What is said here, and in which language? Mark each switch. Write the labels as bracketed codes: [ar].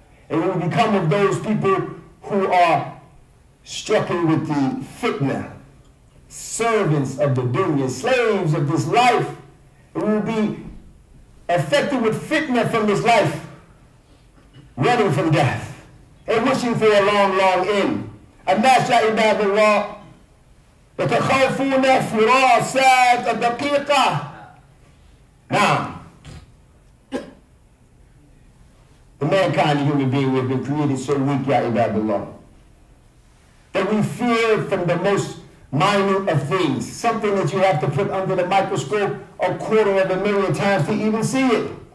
[en] And we will become of those people who are struck with the fitna, servants of the dunya, slaves of this life. And we will be affected with fitna from this life, running from death, and wishing for a long, long end. [ar] الناس يا عباد الله يتخوفون فراسة دقيقة. [en] Now, the mankind, the human being, we have been created so weak, Ya Ibadullah, that we fear from the most minute of things, something that you have to put under the microscope a quarter of a million times to even see it.